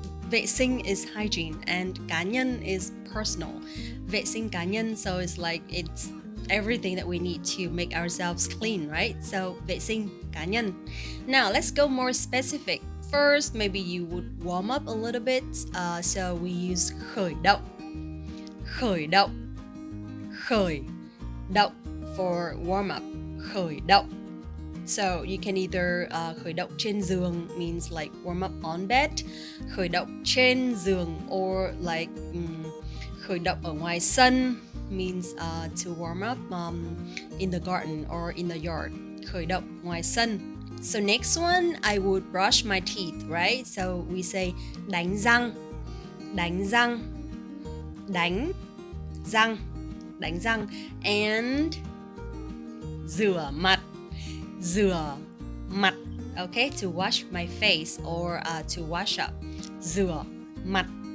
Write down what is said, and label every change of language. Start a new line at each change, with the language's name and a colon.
Vietnamese: Vệ sinh
English: is hygiene and
Vietnamese: cá nhân
English: is personal.
Vietnamese: Vệ sinh cá nhân,
English: so it's like it's everything that we need to make ourselves clean, right? So
Vietnamese: vệ sinh cá nhân.
English: Now let's go more specific. First, maybe you would warm up a little bit. So we use
Vietnamese: khởi động, khởi động, khởi động
English: for warm up.
Vietnamese: Khởi động.
English: So you can either
Vietnamese: khởi động trên giường
English: means like warm up on bed, khởi động trên giường, or like
Vietnamese: khởi động ở ngoài sân
English: means to warm up in the garden or in the yard.
Vietnamese: Khởi động ngoài sân.
English: So next one, I would brush my teeth, right? So we say
Vietnamese: đánh răng, đánh răng,
English: đánh răng, đánh răng, and
Vietnamese: rửa mặt, rửa mặt.
English: Okay, to wash my face or to wash up,
Vietnamese: rửa mặt.